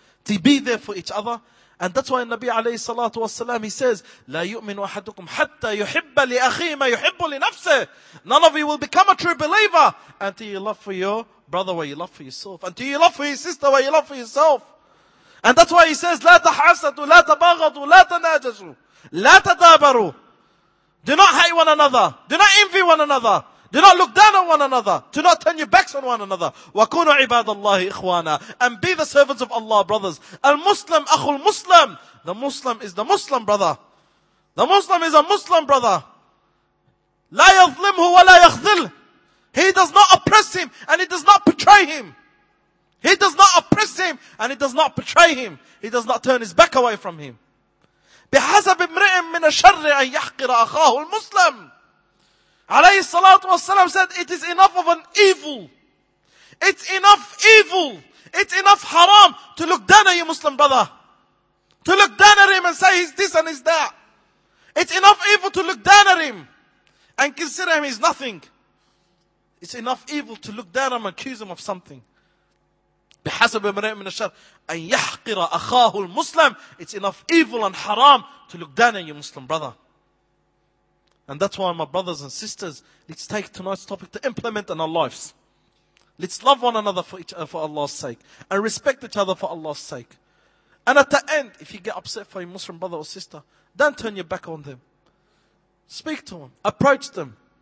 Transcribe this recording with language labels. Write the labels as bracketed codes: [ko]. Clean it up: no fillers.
[en] To be there for each other. And that's why Nabi alayhi salatu wa sallam, he says, [ar] لا يؤمن أحدكم حتى يحب لأخي ما يحب لنفسه. [en] None of you will become a true believer until you love for your brother what you love for yourself. Until you love for your sister what you love for yourself. And that's why he says, [ar] لا تحسدوا لا تباغضوا لا تناجسوا. لا تدابروا. [en] Do not hate one another. Do not envy one another. Do not look down on one another. Do not turn your backs on one another. [ar] وَكُونُوا عِبَادَ اللَّهِ إِخْوَانًا. [en] And be the servants of Allah, brothers. [ar] المسلم أخو المسلم. [en] The Muslim is the Muslim brother. The Muslim is a Muslim brother. [ar] لا يظلمه ولا يخذل. [en] He does not oppress him and he does not betray him. He does not oppress him and he does not betray him. He does not turn his back away from him. [ar] بحسب امرئ من الشر أن يحقر أخاه المسلم. عليه الصلاة والسلام [en] said, it is enough of an evil. It's enough evil. It's enough haram to look down at your Muslim brother. To look down at him and say he's this and he's that. It's enough evil to look down at him and consider him as nothing. It's enough evil to look down at him and accuse him of something. [ar] بحسب امرئ من الشر أن يحقر أخاه المسلم. [en] It's enough evil and haram to look down at your Muslim brother. And that's why my brothers and sisters, let's take tonight's topic to implement in our lives. Let's love one another for Allah's sake. And respect each other for Allah's sake. And at the end, if you get upset for your Muslim brother or sister, don't turn your back on them. Speak to them. Approach them.